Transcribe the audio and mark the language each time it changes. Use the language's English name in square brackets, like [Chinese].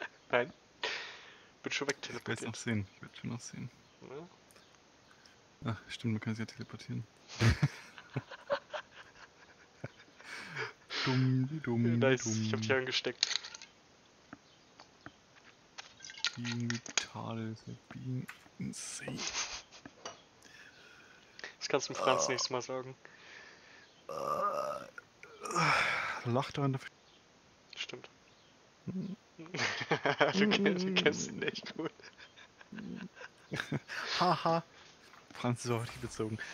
[German] Nein. Bin schon weg teleportiert. Ich werd's noch sehen. Ich werd's schon noch sehen. Ja. Ach, stimmt, man kann sich ja teleportieren. Nice, ich hab dich angesteckt. [English] Being vital is like being insane. [German] Das kannst du dem Franz nächstes Mal sagen. Lach doch an der. Stimmt. du kennst ihn echt gut. Haha. Franz ist auf dich bezogen.